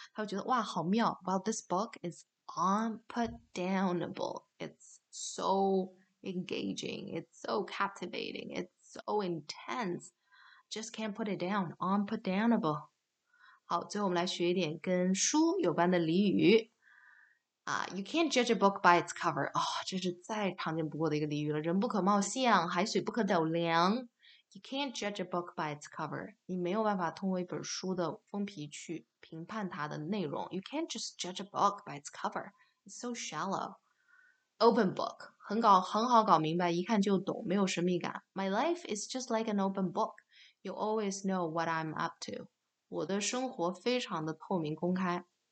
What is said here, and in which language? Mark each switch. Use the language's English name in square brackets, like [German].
[Chinese] 他会觉得哇，好妙。 [English] Well, this book is unputdownable. It's so engaging. It's so captivating. It's so intense. Just can't put it down. Unputdownable. [Chinese] 好，最后我们来学一点跟书有关的俚语。 [English] You can't judge a book by its cover. [Chinese] 这是再常见不过的一个俚语了。人不可貌相，海水不可斗量。 [English] You can't judge a book by its cover. [Chinese] 你没有办法通过一本书的封皮去评判它的内容。 [English] You can't just judge a book by its cover. It's so shallow. Open book. [Chinese] 很好搞明白，一看就懂，没有神秘感。 [English] My life is just like an open book. You always know what I'm up to. [Chinese] 我的生活非常的透明公开。